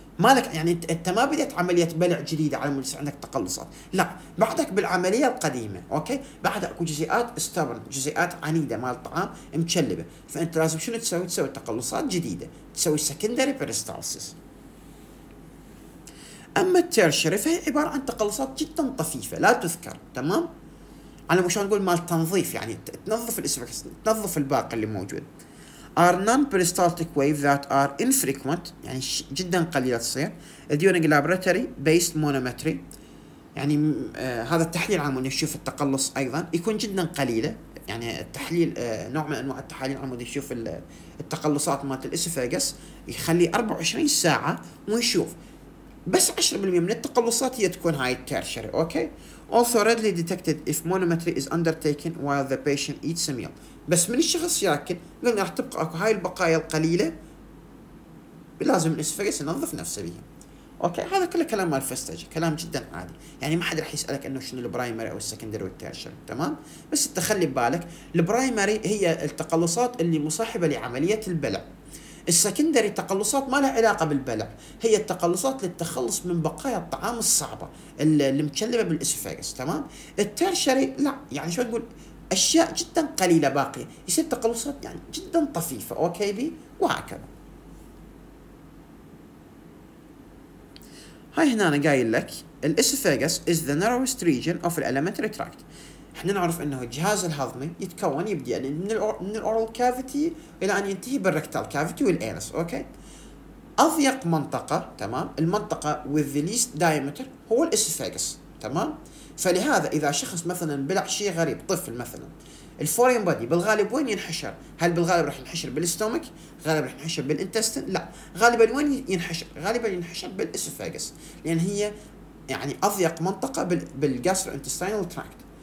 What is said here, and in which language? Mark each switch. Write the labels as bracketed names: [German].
[Arabic] مالك يعني انت ما بديت عمليه بلع جديده على مود عندك تقلصات، لا، بعدك بالعمليه القديمه، اوكي؟ بعدها اكو جزيئات ستبرن، جزيئات عنيده مال الطعام مكلبه، فانت لازم شنو تسوي؟ تسوي تقلصات جديده، تسوي سكندري بريستالسيس. اما التيرشري فهي عباره عن تقلصات جدا طفيفه لا تذكر، تمام؟ على مود شلون نقول مال تنظيف، يعني تنظف الاسفكس، تنظف الباقي اللي موجود. [English] are non-peristaltic waves that are infrequent، [Arabic] يعني جدا قليلة تصير. [English] during laboratory based monometry، [Arabic] يعني هذا التحليل عمود يشوف التقلص أيضا يكون جدا قليلة، يعني التحليل نوع من أنواع التحاليل عمود يشوف التقلصات مالت الإسفاجس يخليه 24 ساعة ويشوف بس 10% من التقلصات هي تكون هاي التيرشري، أوكي؟ [English] also readily detected if monometry is undertaken while the patient eats a meal. [Arabic] بس من الشخص ياكل قلنا راح تبقى اكو هاي البقايا القليله لازم الاسفاجس ينظف نفسه بيها، اوكي؟ هذا كله كلام مال فيستاجي، كلام جدا عادي، يعني ما حد راح يسالك انه شنو البرايمري او السكندري والتيرشري، تمام؟ بس تخلي ببالك البرايمري هي التقلصات اللي مصاحبه لعمليه البلع، السكندري تقلصات ما لها علاقه بالبلع، هي التقلصات للتخلص من بقايا الطعام الصعبه اللي مكلبه بالاسفاجس، تمام؟ التيرشري لا، يعني شو تقول اشياء جدا قليله باقيه، يصير تقلصات يعني جدا طفيفه، اوكي بي؟ وهكذا. هاي هنا انا قايل لك [English] الاسفاجس is the narrowest region of the alimentary tract. [Arabic] احنا نعرف انه الجهاز الهضمي يتكون يبدا يعني من الاورال كافيتي الى ان ينتهي بالركتال كافيتي والانس، اوكي؟ اضيق منطقه، تمام؟ المنطقه [English] with the least diameter [Arabic] هو الاسفاجس، تمام؟ فلهذا اذا شخص مثلا بلع شيء غريب، طفل مثلا، الفورين بودي بالغالب وين ينحشر؟ هل بالغالب راح ينحشر بالاستومك؟ غالبا راح ينحشر بالانتستين؟ لا، غالبا وين ينحشر؟ غالبا ينحشر بالاسفاجس، لان هي يعني اضيق منطقه بالجاسترو انتستينال تراكت.